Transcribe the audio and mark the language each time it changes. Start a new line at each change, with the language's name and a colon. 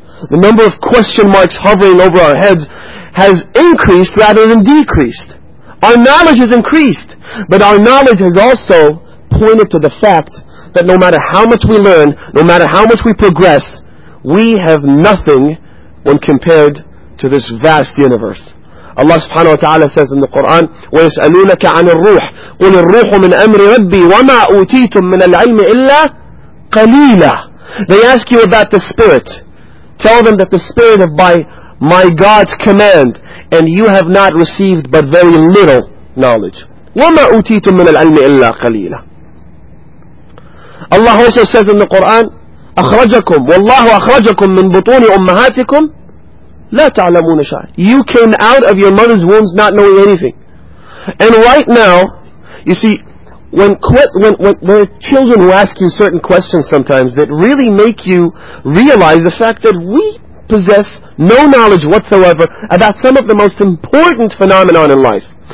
English: The number of question marks hovering over our heads has increased rather than decreased. Our knowledge has increased, but our knowledge has also pointed to the fact that no matter how much we learn, no matter how much we progress, we have nothing when compared to this vast universe. Allah subhanahu wa ta'ala says in the Quran,
Arabic: وَيَسْأَلُونَكَ عَنِ الرُّوحِ قُلِ الرُّوحُ مِنْ أَمْرِ رَبِّي وَمَا أُوتِيتُم مِّنَ الْعِلْمِ إِلَّا قَلِيلًا.
English: They ask you about the spirit. Tell them that the spirit is by my God's command, and you have not received but very little knowledge.
Arabic: وَمَا أُوتِيتُم مِّنَ الْعِلْمِ إِلَّا قَلِيلًا.
English: Allah also says in the Quran,
Arabic: أَخْرَجَكُمْ وَاللَّهُ أَخْرَجَكُمْ مِنْ بُطُونِ أُمَّهَاتِكُمْ لَا تَعْلَمُونَ شَيْءٍ.
English: You came out of your mother's wombs not knowing anything. And right now, you see, when there are children who ask you certain questions sometimes that really make you realize the fact that we possess no knowledge whatsoever about some of the most important phenomenon in life.